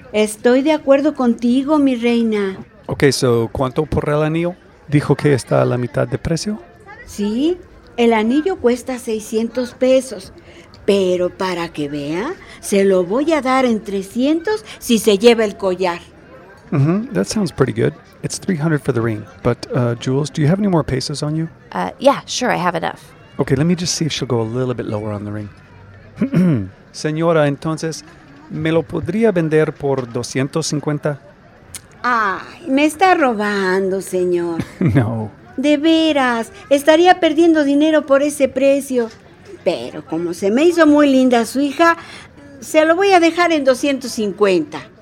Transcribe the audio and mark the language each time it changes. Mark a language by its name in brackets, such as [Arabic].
[Spanish] Estoy de acuerdo contigo, mi reina. [English] Okay, so [Spanish] ¿cuánto por el anillo? ¿Dijo que está a la mitad de precio? Sí, el anillo cuesta 600 pesos. Pero para que vea, se lo voy a dar en 300 si se lleva el collar. [English] Mm-hmm, that sounds pretty good. It's 300 for the ring. But, Jules, do you have any more pesos on you? Yeah, sure, I have enough. Okay, let me just see if she'll go a little bit lower on the ring. [Spanish] Señora, entonces, ¿me lo podría vender por 250? Ay, me está robando, señor. No. De veras, estaría perdiendo dinero por ese precio. Pero como se me hizo muy linda su hija, se lo voy a dejar en 250.